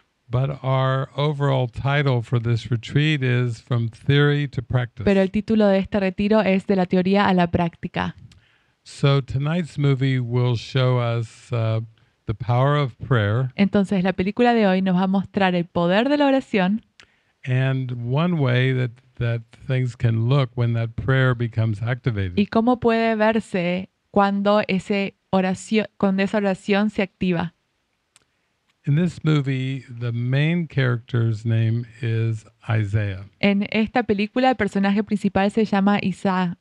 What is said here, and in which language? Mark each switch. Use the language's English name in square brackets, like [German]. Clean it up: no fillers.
[English] But our overall title for this retreat is From Theory to Practice. [Spanish] Pero el título de este retiro es De la teoría a la práctica. [English] So tonight's movie will show us the power of prayer. [Spanish] Entonces la película de hoy nos va a mostrar el poder de la oración. [English] And one way that things can look when that prayer becomes activated. [Spanish] Y cómo puede verse cuando esa oración se activa. [English] In this movie, the main character's name is Isaiah. [Spanish] En esta película, el personaje principal se llama Isaac.